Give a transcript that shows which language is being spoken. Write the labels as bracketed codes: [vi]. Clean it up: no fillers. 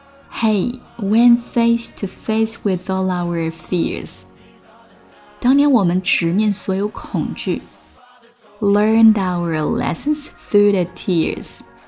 [en] Hey, went face to face with all our fears. [zh] 当年我们直面所有恐惧。 [en] Learned our lessons through the tears.